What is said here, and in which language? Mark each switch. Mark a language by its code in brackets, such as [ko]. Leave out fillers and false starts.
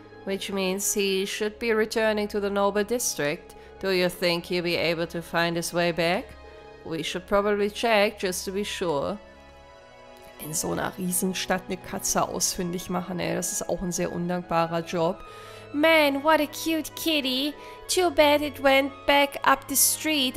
[en] Which means he should be returning to the Noble District. Do you think he'll be able to find his way back? We should probably check, just to be sure. [de] In so einer Riesenstadt eine Katze ausfindig machen, ey, das ist auch ein sehr undankbarer Job. [en] Man, what a cute kitty. Too bad it went back up the street.